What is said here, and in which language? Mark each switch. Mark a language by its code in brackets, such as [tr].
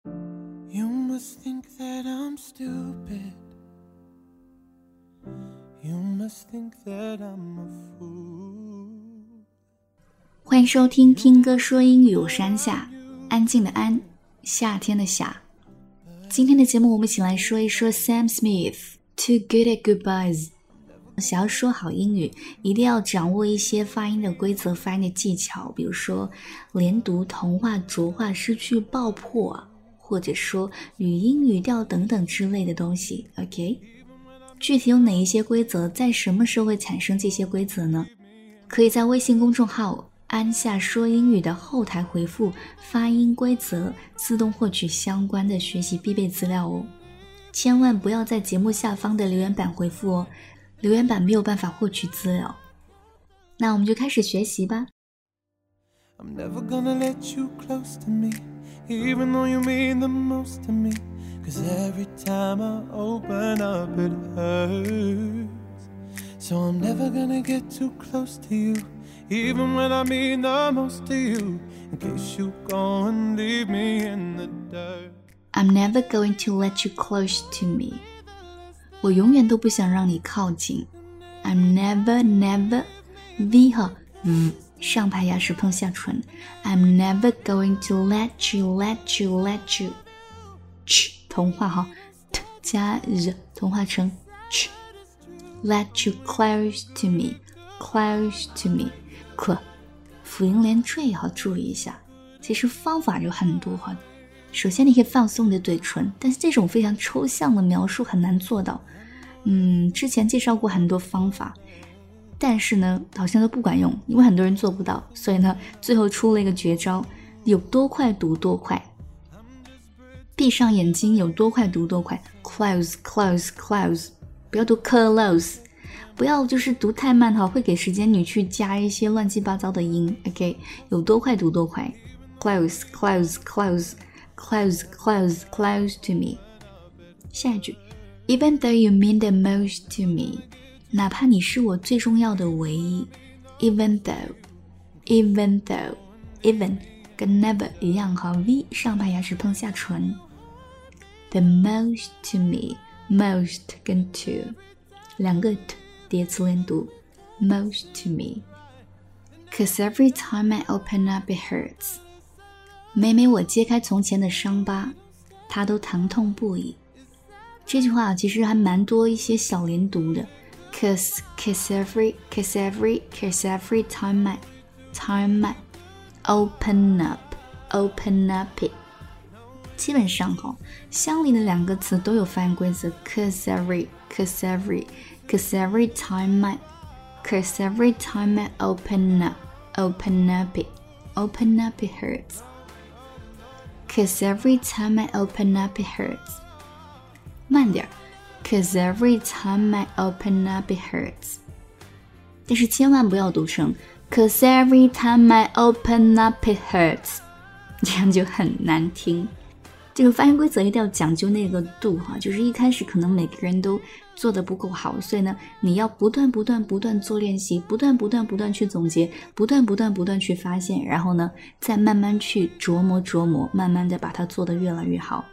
[en] must think that I'm stupid. You must think that I'm a fool. [zh] 欢迎收听听歌说英语，我是安夏，安静的安，夏天的夏。今天的节目我们一起来说一说 Sam Smith Too Good at Goodbyes。想要说好英语，一定要掌握一些发音的规则、发音的技巧，比如说连读、同化、浊化、失去、爆破，或者说语音、语调等等之类的东西。 OK， 具体有哪一些规则？在什么时候会产生这些规则呢？可以在微信公众号“安夏说英语”的后台回复“发音规则”，自动获取相关的学习必备资料哦。千万不要在节目下方的留言板回复哦。留言板没有办法获取资料，那我们就开始学习吧。 [en] I'm never gonna let you close to me, even though you mean the most to me, cause every time I open up it hurts. So I'm never gonna get too close to you, even when I mean the most to you, in case you go and leave me in the dirt. I'm never going to let you close to me. [zh] 我永远都不想让你靠近。 [en] I'm never, never, [zh] V 和 V 上排牙齿碰下唇。 [en] I'm never going to let you, let you, let you. [zh] Ch 同化哈 ，t 加 z 同化成 ch. [en] Let you close to me, close to me. [zh] K 辅音连缀要注意一下。其实方法有很多哈。首先你可以放松你的嘴唇，但是这种非常抽象的描述很难做到。之前介绍过很多方法，但是呢好像都不管用，因为很多人做不到，所以呢最后出了一个绝招，有多快读多快。闭上眼睛，有多快读多快， close, close, close, 不要读 close, 不要就是读太慢，会给时间女去加一些乱七八糟的音。 [en] OK, [zh] 有多快读多快， [en] close, close, closeClose, close, close to me. [zh] 下一句 [en] Even though you mean the most to me, [zh] 哪怕你是我最重要的唯一。 [en] Even though, even though, even [zh] 跟 never 一样，和 V 上排牙齿碰下唇。 [en] The most to me, most 跟 to [zh] 两个 t 叠词连读， [en] most to me. Cause every time I open up it hurts. [zh] 每每我揭开从前的伤疤，他都疼痛不已。这句话其实还蛮多一些小连读的。 [en] Cause, kiss every, kiss every, kiss every time I, time I, open up, open up it. [zh] 基本上好，相邻的两个词都有发音规则。 [en] Kiss every, kiss every, kiss every time I, kiss every time I open up, open up it, open up it hurts. Cause every time I open up, it hurts. [zh] 慢点。 [en] Cause every time I open up, it hurts. [zh] 但是千万不要读成 [en] Cause every time I open up, it hurts. [zh] 这样就很难听。这个发音规则一定要讲究那个度哈，就是一开始可能每个人都做得不够好，所以呢，你要不断不断不断做练习，不断不断不断去总结，不断不断不断去发现，然后呢，再慢慢去琢磨琢磨，慢慢的把它做得越来越好。